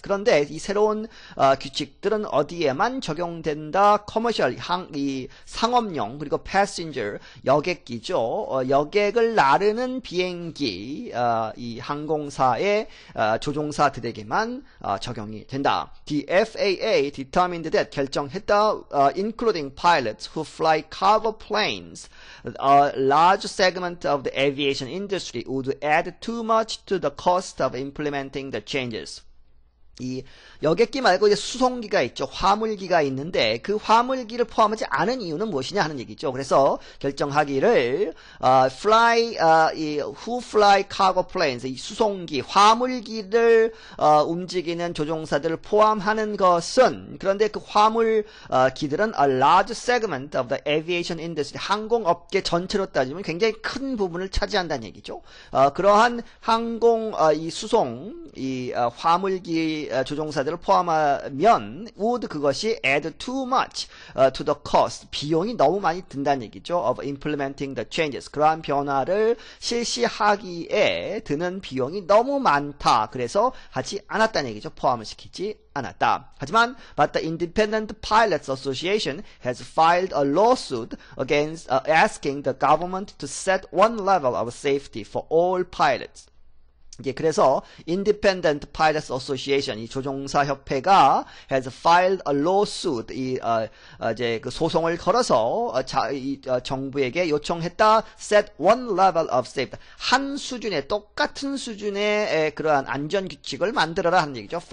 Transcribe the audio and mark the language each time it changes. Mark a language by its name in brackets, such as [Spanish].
[Korean] 그런데 이 새로운 규칙들은 어디에만 적용된다? Commercial 이 상업용 그리고 passenger 여객기죠. 여객을 나르는 비행기 이 항공사의 조종사들에게만 적용이 된다. [English] The FAA determined that [Korean] 결정했다. [English] Including pilots who fly cargo planes, a large segment of the aviation industry would add too much to the cost of implementing the changes. [Korean] 이 여객기 말고 이제 수송기가 있죠. 화물기가 있는데 그 화물기를 포함하지 않은 이유는 무엇이냐 하는 얘기죠. 그래서 결정하기를 [English] who fly cargo planes [Korean] 이 수송기 화물기를 움직이는 조종사들을 포함하는 것은 그런데 그 화물기들은 [English] a large segment of the aviation industry [Korean] 항공업계 전체로 따지면 굉장히 큰 부분을 차지한다는 얘기죠. 그러한 항공 이 수송 이 화물기 조종사들을 포함하면 would 그것이 [English] add too much to the cost, [Korean] 비용이 너무 많이 든다는 얘기죠. [English] of implementing the changes, [Korean] 그러한 변화를 실시하기에 드는 비용이 너무 많다. 그래서 하지 않았다는 얘기죠. 포함을 시키지 않았다. 하지만 [English] but the Independent Pilots Association has filed a lawsuit against asking the government to set one level of safety for all pilots. [Korean] 예, 그래서 Independent Pilots Association, 이 조종사 협회가 [English] has filed a lawsuit, [Korean] 이제 그 소송을 걸어서 정부에게 요청했다, [English] set one level of safety, [Korean] 한 수준의 똑같은 수준의 그러한 안전 규칙을 만들어라 하는 얘기죠.